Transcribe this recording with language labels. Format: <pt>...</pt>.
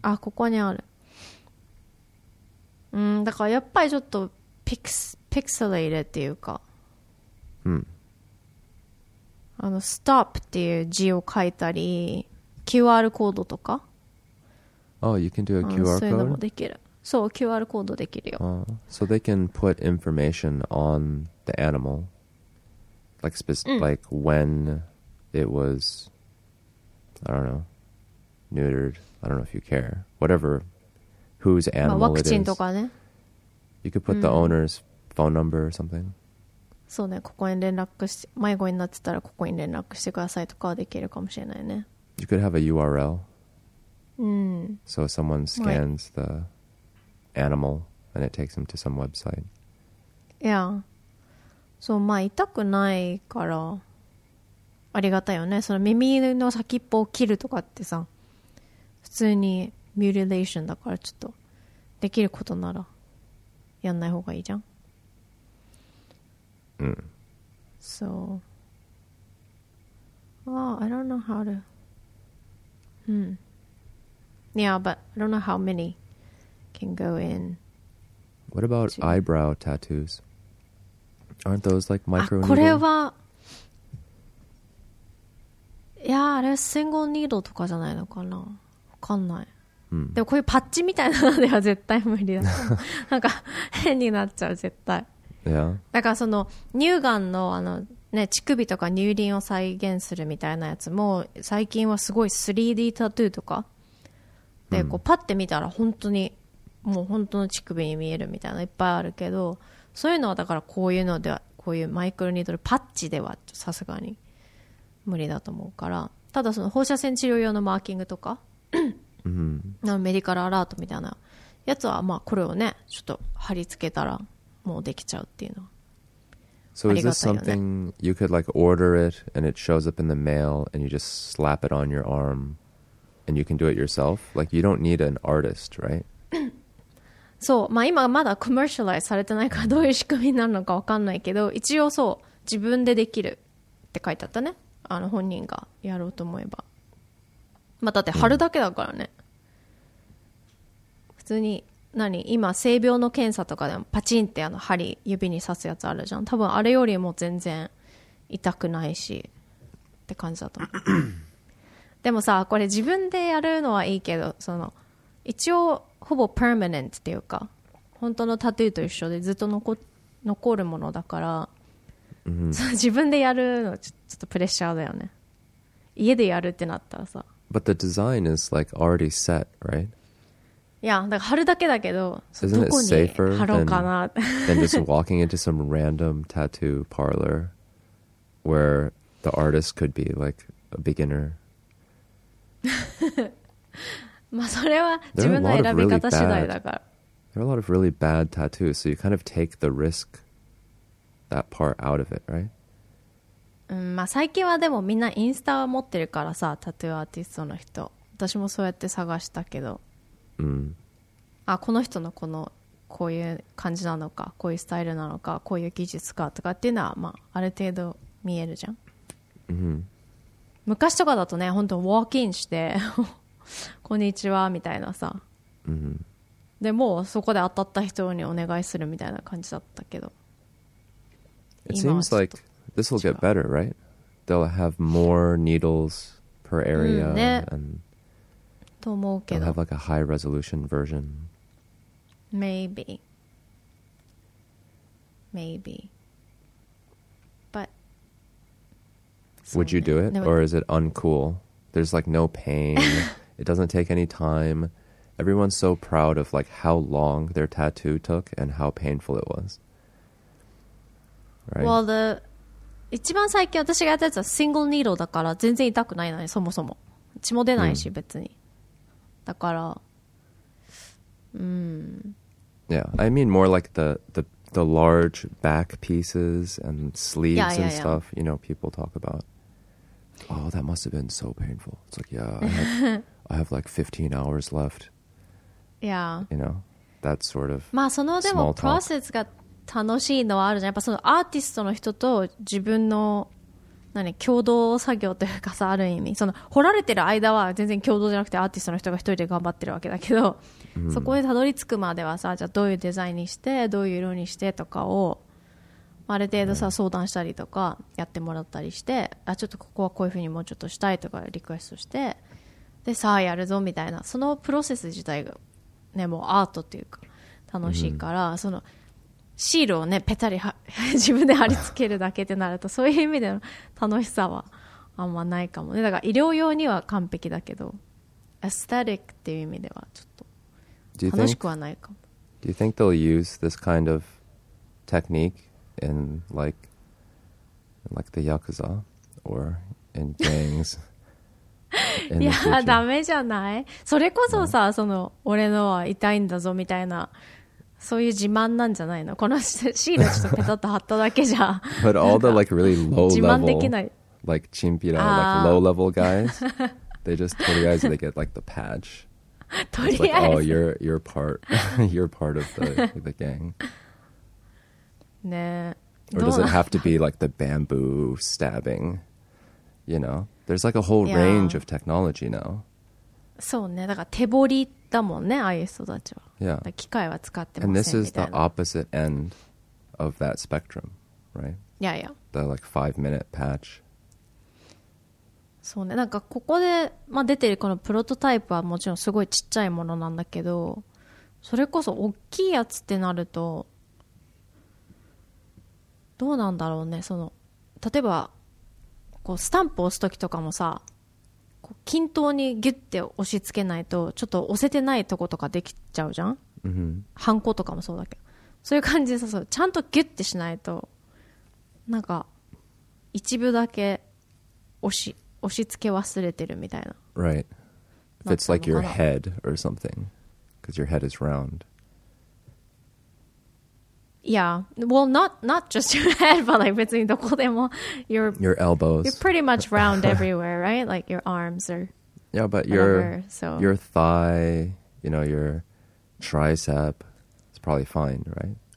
<ja>あここにある、うん、だからやっぱりちょっとピクセレイレっていうか、うん、あのストップっていう字を書いたり QR コードとか、</ja> <en>Oh, you can do a QR code?</en> <ja>そういうのもできる。そう、QR コードできるよ。</ja> <en>So they can put information on the animal, like, like when it was, I don't know, neutered. I don't know if you care. Whatever, whose animal it is.</en> <ja>ワクチンとかね。</ja> <en>You could put the owner's phone number or something.</en> <ja>そうね、ここに連絡して、迷子になってたらここに連絡してくださいとかできるかもしれないね。</ja> <en>You could have a URL. Mm. So someone scans the animal and it takes them to some website. Yeah.</en> <ja>So, まあ痛くないからありがたいよね。その耳の先っぽを切るとかってさ、普通にミューティレーションだからちょっとできることならやんない方がいいじゃん。うん。</ja> <en>So. Oh, I don't know how to. Hmm. Yeah, but I don't know how many can go in. What about eyebrow tattoos? Aren't those like micro needle?</en> <ja>これは… Yeah, あれはシングルニードルとかじゃないのかな。わかんない。でもこういうパッチみたいなのでは絶対無理だ。なんか変になっちゃう、絶対。</ja> <en>Yeah.</en> <ja>だからその乳がんのあのね、乳首とか乳輪を再現するみたいなやつも、最近はすごい 3D タトゥーとか。でこうパッて見たら本当にもう本当の乳首に見えるみたいないっぱいあるけど、そういうのはだからこういうのではこういうマイクロニードルパッチではさすがに無理だと思うから、ただその放射線治療用のマーキングとか、うん、メディカルアラートみたいなやつはまあこれをねちょっと貼り付けたらもうできちゃうっていうのは、ありがたいよね。</ja> <en>So is this something you could like order it and it shows up in the mail and you just slap it on your armAnd you can do it yourself? Like, you don't need an artist, right?</en> <ja>そう、まあ今まだ commercialize されてないからどういう仕組みになるのか分かんないけど、一応そう、自分でできるって書いてあったね。あの本人がやろうと思えば。まあだって貼るだけだからね。普通に、何、今性病の検査とかでもパチンってあの針指に刺すやつあるじゃん。多分あれよりも全然痛くないしって感じだと思う。でもさ、これ自分でやるのはいいけど、その一応ほぼパーマネントっていうか本当のタトゥーと一緒でずっと残るものだから、 mm-hmm. そ自分でやるのはちょっとプレッシャーだよね。家でやるってなったらさ、</ja> <en>But the design is like already set, right?</en> <ja>いや、だから貼るだけだけど、</ja> <en>Isn't it safer</en> <ja>どこに貼ろうかな</ja> <en>than just walking into some random tattoo parlor where the artist could be like a beginner</en> <ja>まあそれは自分の選び方次第だから。</ja> <en>There are a lot of really bad tattoos, so you kind of take the risk that part out of it, right?</en> <ja>まあ最近はでもみんなインスタを持ってるからさ、タトゥーアーティストの人。私もそうやって探したけど。うん。あ、この人のこの、こういう感じなのか、こういうスタイルなのか、こういう技術かとかっていうのは、まあある程度見えるじゃん。うん。昔とかだとね、本当ウォークインしてこんにちはみたいなさ、 mm-hmm. でもうそこで当たった人にお願いするみたいな感じだったけど、</ja> <en>It seems like this will get better, right? They'll have more needles per area、</en> <ja>うんね、</ja> <en>and</en> <ja>と思うけど、</ja> <en>they'll have like a high resolution version. Maybe, maybe. Would you do it? Or is it uncool? There's like no pain. It doesn't take any time. Everyone's so proud of like how long their tattoo took and how painful it was. Right? Well, the</en> <ja>一番最近私がやったやつはシングルニードルだから全然痛くないのに、そもそも血も出ないし別に、だから、うん、</ja> <en>Yeah, I mean more like the large back pieces and sleeves stuff, you know, people talk about. Oh, that must have been so painful. It's like, yeah, I have like 15 hours left. Yeah. You know, that sort of small talk.</en> <ja>まあ、でも、プロセスが楽しいのはあるじゃん。やっぱそのアーティストの人と自分の何共同作業というかさ、ある意味その掘られてる間は全然共同じゃなくてアーティストの人が一人で頑張ってるわけだけど、そこへたどり着くまではさ、じゃあどういうデザインにしてどういう色にしてとかをある程度さ、相談したりとかやってもらったりして、あ、ちょっとここはこういうふうにもうちょっとしたいとかリクエストして、でさあやるぞみたいな、そのプロセス自体がね、もうアートっていうか楽しいから、そのシールをねペタリ自分で貼り付けるだけってなるとそういう意味での楽しさはあんまないかもね。だから医療用には完璧だけど、エステティックっていう意味ではちょっと楽しくはないかも。</ja> <en>Do you think they'll use this kind of technique in like the Yakuza or in gangs?</en> <ja>いやダメじゃない、それこそさ、その俺のは痛いんだぞみたいな、そういう自慢なんじゃないの、このシールちょっとペタッと貼っただけじゃ。</ja> <en>But all the like really low level,</en> <ja>自慢できない。</ja> <en>Like chimpira, like low level guys, they just</en> <ja>とりあえず</ja> <en>they get like the patch.</en> <ja>とりあえず。</ja> <en>Like, oh, you're part, you're part of the gang.</en> <ja>ね。</ja> <en>Or does it have to be like the bamboo stabbing? You know, there's like a whole range of technology now.</en> <ja>そうね、だから手彫りだもんね、ああいう人たちは。</ja> <en>Yeah.</en> <ja>機械は使ってません。</ja> <en>And this is the opposite end of that spectrum, right? Yeah, yeah. The like 5-minute patch.</en> <ja>そうね。なんかここで、まあ、出てるこのプロトタイプはもちろんすごいちっちゃいものなんだけど、それこそ大きいやつってなるとどうなんだろうね。その例えばこうスタンプ押すときとかもさ、均等にギュッて押し付けないとちょっと押せてないとことかできちゃうじゃん、ハンコとかもそうだけど、そういう感じでさ、ちゃんとギュッてしないとなんか一部だけ押し付け忘れてるみたいな。</ja> <en>Right. If it's like your head or something, because your head is round. Yeah. Well, not just your head, but like</en> <ja>別にどこでも</ja> <en>your elbows. You're pretty much round everywhere, right? Like your arms or yeah, but your thigh, you know, your tricep, it's probably fine, right?</en>